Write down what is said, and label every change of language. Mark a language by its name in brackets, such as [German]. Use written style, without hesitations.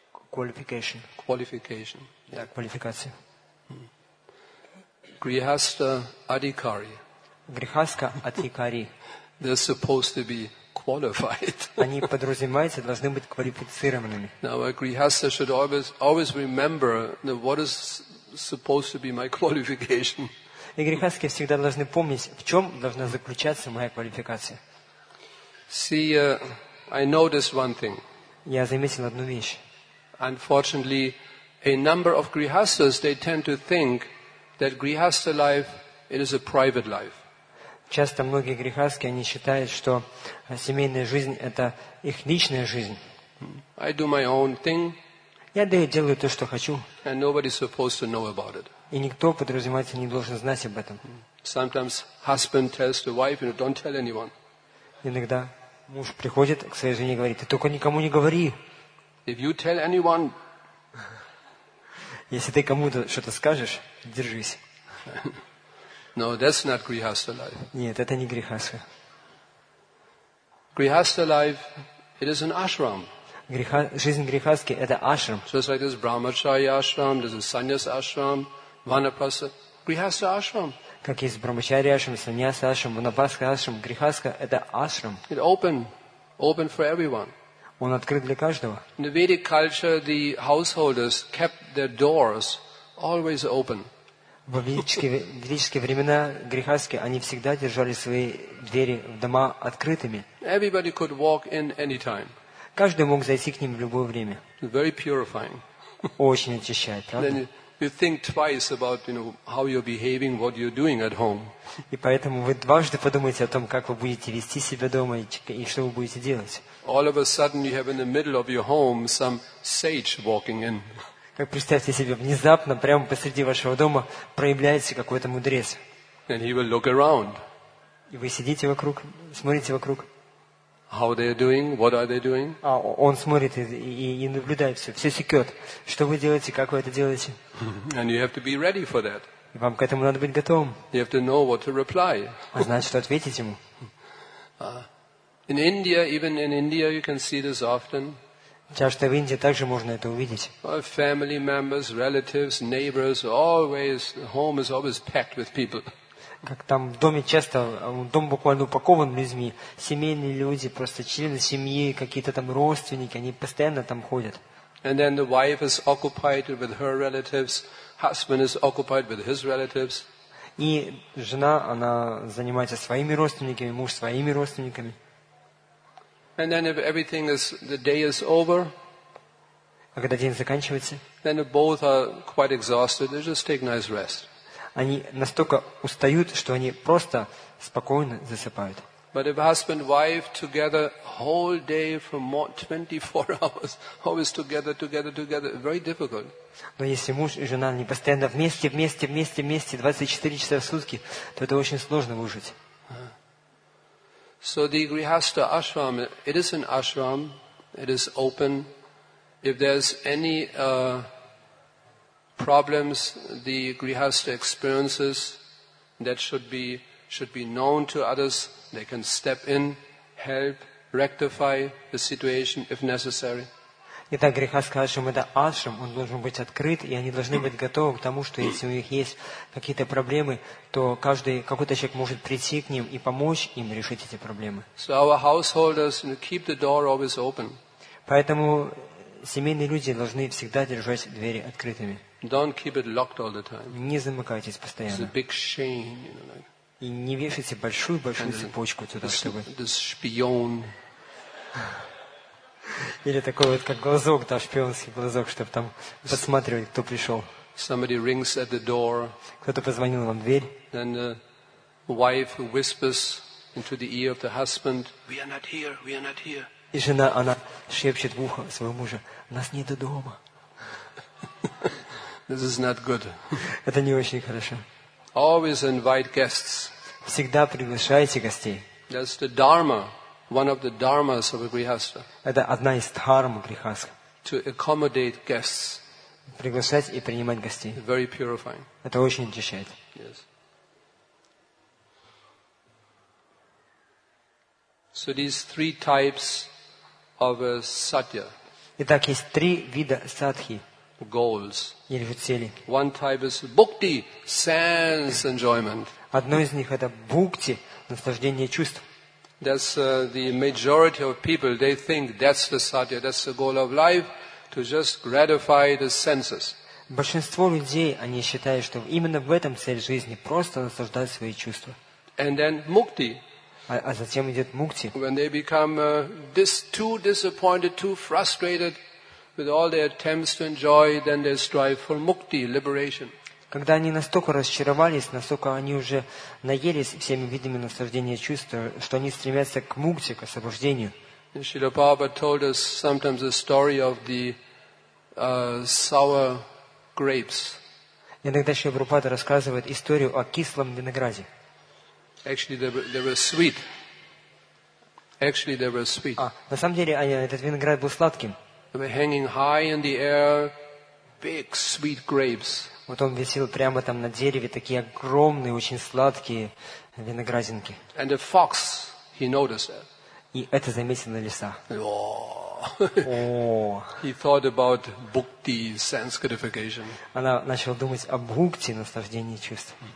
[English] Qualification. Qualification. [Russian] Да, квалификация. [Sanskrit] Grihastha adhikari. [Russian] Грихастха адхикари. [English] They're supposed to be qualified. [Russian] Они подразумеваются, должны быть квалифицированными. [English] Now a grihastha should always remember that what is supposed to be my qualification. [Russian] И грехастки всегда должны помнить, в чем должна заключаться моя квалификация. [English] See, I noticed one thing. [Russian] Я заметил одну вещь. [English] Unfortunately, a number of grihastas they tend to think that grihastha life it is a private life. [Russian] Часто многие грехастки они считают, что семейная жизнь это их личная жизнь. [English] I do my own thing. [Russian] Я делаю то, что хочу. [English] And nobody is supposed to know about it. [Russian] И никто, подразумевается, не должен знать об этом. [English] Sometimes husband tells the wife, you know, don't tell anyone. [Russian] Иногда муж приходит к своей жене и говорит, ты только никому не говори. [English] If you tell anyone, [Russian] если ты кому-то что-то скажешь, держись. [English] No, that's not grihastha life. [Russian] Нет, это не грехастха. [English] Grihastha life, it is an ashram. [Russian] Жизнь грехастки это ашрам. [English] Just like this brahmacharya ashram, this is sannyas ashram. [Russian] Ванапаса, грихаса ашрам. Как есть брамачари ашрам, саньяса ашрам, ванапаска ашрам, грихаска это ашрам. [English] It open for everyone. [Russian] Он открыт для каждого. [English] In the Vedic culture, the householders kept their doors always open. [Russian] В ведические времена грихаски они всегда держали свои двери в дома открытыми. [English] Everybody could walk in anytime. [Russian] Каждый мог зайти к ним в любое время. [English] Very purifying. [Russian] Очень очищает, правда? [English] You think twice about, you know, how you're behaving, what you're doing at home. [Russian] И поэтому вы дважды подумаете о том, как вы будете вести себя дома и что вы будете делать. [English] All of a sudden, you have in the middle of your home some sage walking in. [Russian] Как представьте себе, внезапно, прямо посреди вашего дома проявляется какой-то мудрец. [English] And he will look around. [Russian] И вы сидите вокруг, смотрите вокруг. [English] How they are doing? What are they doing? [Russian] А он смотрит и наблюдает все. Все секет. Что вы делаете, как вы это делаете? [English] And you have to be ready for that. [Russian] И вам к этому надо быть готовым. [English] You have to know what to reply. [Russian] А значит, что ответить ему. [English] In India, even in India, you can see this often. [Russian] Часто в Индии также можно это увидеть. [English] Family members, relatives, neighbors, always home is always packed with people. [Russian] Как там в доме часто, дом буквально упакован людьми, семейные люди, просто члены семьи, какие-то там родственники, они постоянно там ходят. [English] And then the wife is occupied with her relatives, husband is occupied with his relatives. [Russian] И жена, она занимается своими родственниками, муж своими родственниками. [English] And then if everything is, the day is over, [Russian] а когда день заканчивается, [English] then both are quite exhausted, they just take nice rest. [Russian] Они настолько устают, что они просто спокойно засыпают. [English] But if husband and wife together whole day for more 24 hours, always together, very difficult. [Russian] Но если муж и жена не постоянно вместе, 24 часа в сутки, то это очень сложно выжить. [English] So the Grihastha ashram, it is an ashram, it is open. If there's any problems the Grihastha experiences, that should be known to others. They can step in, help, rectify the situation if necessary. [Russian] Итак, грехастха ашрам — это ашрам, он должен быть открыт, и они должны быть готовы к тому, что если у них есть какие-то проблемы, то каждый какой-то человек может прийти к ним и помочь им решить эти проблемы. [English] So our householders keep the door always open. [Russian] Поэтому семейные люди должны всегда держать двери открытыми. [English] Don't keep it locked all the time. [Russian] Не замыкайтесь постоянно. [English] It's a big shame, you know. [Russian] И не вешайте большую-большую цепочку туда, чтобы... [English] This [Russian] шпион. Или такой вот, как глазок, да, шпионский глазок, чтобы там подсматривать, кто пришел. [English] Somebody rings at the door. [Russian] Кто-то позвонил вам в дверь. [English] Then the wife whispers into the ear of the husband, we are not here, we are not here. [Russian] И жена, она шепчет в ухо своего мужа, нас нет дома. [English] This is not good. [Russian] Это не очень хорошо. [English] Always invite guests. [Russian] Всегда приглашайте гостей. [English] That's the dharma, one of the dharmas of a grihastha. [Russian] Это одна из дхарм грихастха. [English] To accommodate guests. [Russian] Приглашать и принимать гостей. [English] Very purifying. [Russian] Это очень очищает. [English] Yes. So these three types of a satya. [Russian] Итак, есть три вида садхи. [English] Goals. [Russian] Или же цели. [English] One type is bhukti, sense enjoyment. [Russian] Одно из них — это бхукти, наслаждение чувств. [English] That's the majority of people. They think that's the satya, that's the goal of life, to just gratify the senses. [Russian] Большинство людей, они считают, что именно в этом цель жизни — просто наслаждать свои чувства. [English] And then mukti. [Russian] А затем идет мукти. [English] When they become too disappointed, too frustrated. With all their attempts to enjoy, then they strive for mukti, liberation. [Russian] Когда они настолько разочаровались, настолько они уже наелись всеми видами наслаждения чувства, что они стремятся к мукти, к освобождению. [English] Srila Prabhupada told us sometimes the story of the sour grapes. [Russian] Иногда Шрила Прабхупада рассказывает историю о кислом винограде. [English] Actually, they were sweet. [Russian] А на самом деле, этот виноград был сладким. [English] They were hanging high in the air, big sweet grapes. [Russian] Вот он висел прямо там на дереве, такие огромные, очень сладкие виноградинки. [English] And a fox, he noticed that. [Russian] И это заметил на лиса. [English] He thought about bhukti, sense gratification. [Russian] Она начала думать о бхукти, наслаждении чувств.